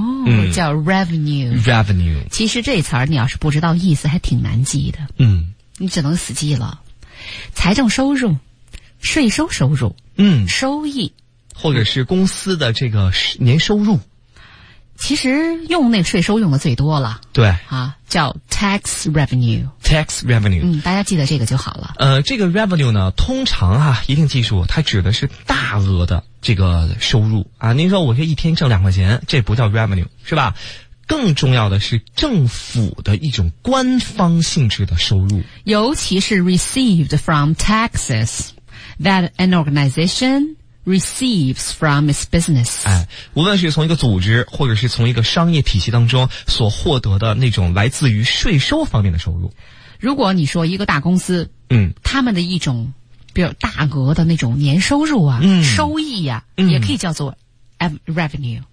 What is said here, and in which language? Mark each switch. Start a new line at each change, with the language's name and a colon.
Chinese: 嗯、叫 revenue， 其实这词儿你要是不知道意思还挺难记的，嗯，你只能死记了。财政收入、税收收入，嗯，收益，或者是公司的这个年收入，嗯、其实用那个税收用的最多了，对，啊，叫 tax revenue，tax
English: revenue，
Chinese: 嗯，大家记得这个就好了。这个 revenue 呢，通常啊，一定记住，它指的是大额的这个收入啊，您说我这一天挣2块钱，这不叫 revenue 是吧？更重要的是政府的一种官方性质的收入，
English: 尤其是 received from taxes that an organization receives from its business。
Chinese: 哎，无论是从一个组织或者是从一个商业体系当中所获得的那种来自于税收方面的收入。如果你说一个大公司，他们的一种比如大额的那种年收入啊，收益啊，也可以叫做 revenue。